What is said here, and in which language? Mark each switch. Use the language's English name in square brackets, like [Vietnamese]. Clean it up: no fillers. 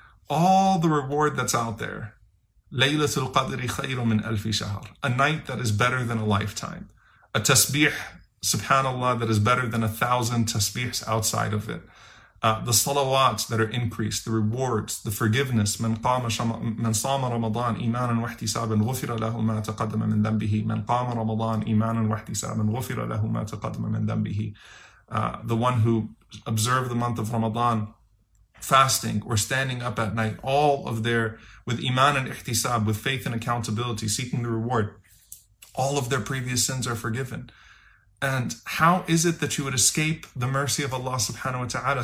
[English] all the reward that's out there. [Arabic] Laylatul Qadri khayrun min alf shahr. [English] A night that is better than a lifetime. A tasbih, subhanallah, that is better than 1,000 tasbihs outside of it. The salawats that are increased, the rewards, the forgiveness. [Arabic] من قام من صام رمضان إيمانا واحتسابا غفر له ما تقدم من ذنبه. من قام رمضان إيمانا واحتسابا غفر له ما تقدم من ذنبه. [English] The one who observed the month of Ramadan, fasting or standing up at night, all of their, with iman and ihtisab, with faith and accountability, seeking the reward, all of their previous sins are forgiven. And how is it that you would escape the mercy of Allah subhanahu wa ta'ala?